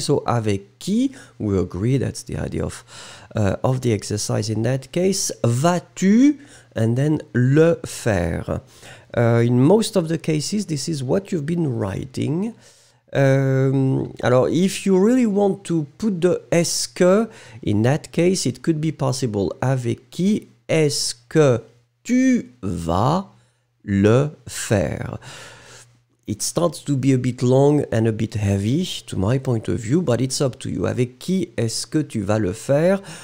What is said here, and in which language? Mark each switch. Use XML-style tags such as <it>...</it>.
<en>So,</en> <fr>avec qui,</fr> <en>we agree, that's the idea of the exercise in that case,</en> <fr>vas-tu,</fr> <en>and then</en> <fr>le faire.</fr> <en>In most of the cases, this is what you've been writing. Alors, if you really want to put the est-ce que, in that case, it could be possible.</en> <fr>Avec qui est-ce que tu vas le faire?</fr> <en>It starts to be a bit long and a bit heavy, to my point of view, but it's up to you.</en> <fr>Avec qui est-ce que tu vas le faire?</fr>